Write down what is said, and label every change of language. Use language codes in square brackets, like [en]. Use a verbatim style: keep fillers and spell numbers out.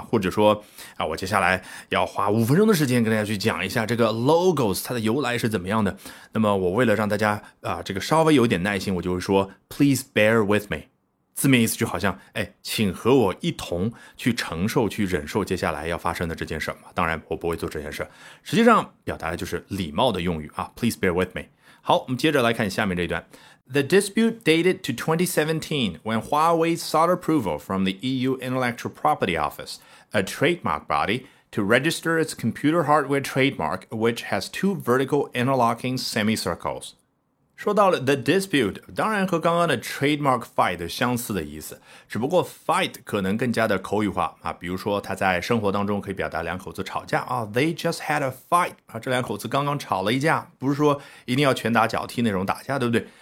[zh] 或者说啊，我接下来要花五分钟的时间跟大家去讲一下这个 logos 它的由来是怎么样的，那么我为了让大家啊这个稍微有点耐心，我就会说 [en] please bear with me， [zh] 字面意思就好像，哎，请和我一同去承受、去忍受接下来要发生的这件事嘛。当然，我不会做这件事。实际上，表达的就是礼貌的用语啊。 [en] Please bear with me。 [zh] 好，我们接着来看下面这一段。 [en] The dispute dated to twenty seventeen when Huawei sought approval from the E U Intellectual Property Office, a trademark body, to register its computer hardware trademark, which has two vertical interlocking semicircles. [zh] 说到了 the dispute， 当然和刚刚的 trademark fight 相似的意思，只不过 fight 可能更加的口语化啊。比如说他在生活当中可以表达两口子吵架啊 ， [en] they just had a fight [zh] 啊，这两口子刚刚吵了一架，不是说一定要拳打脚踢那种打架，对不对？